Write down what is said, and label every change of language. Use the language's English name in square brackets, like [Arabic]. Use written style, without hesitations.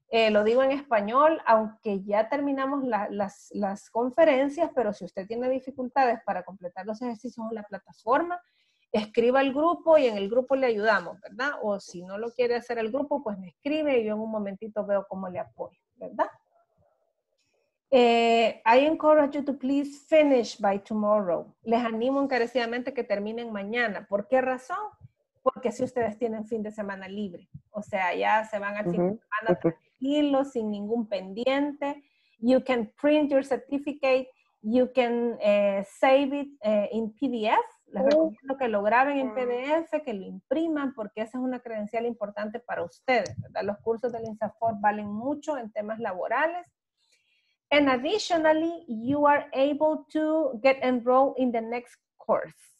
[Spanish] Lo digo en español, aunque ya terminamos las conferencias, pero si usted tiene dificultades para completar los ejercicios en la plataforma, escriba al grupo y en el grupo le ayudamos, ¿verdad? O si no lo quiere hacer el grupo, pues me escribe y yo en un momentito veo cómo le apoyo, ¿verdad? [English] I encourage you to please finish by tomorrow. [Spanish] Les animo encarecidamente que terminen mañana. ¿Por qué razón? Porque si ustedes tienen fin de semana libre, o sea, ya se van al fin de semana tranquilo, sin ningún pendiente. [English] You can print your certificate, you can save it in PDF. [Spanish] Les recomiendo que lo graben en PDF, que lo impriman, porque esa es una credencial importante para ustedes, ¿verdad? Los cursos del INSAFOR valen mucho en temas laborales. [English] And additionally, you are able to get enrolled in the next course.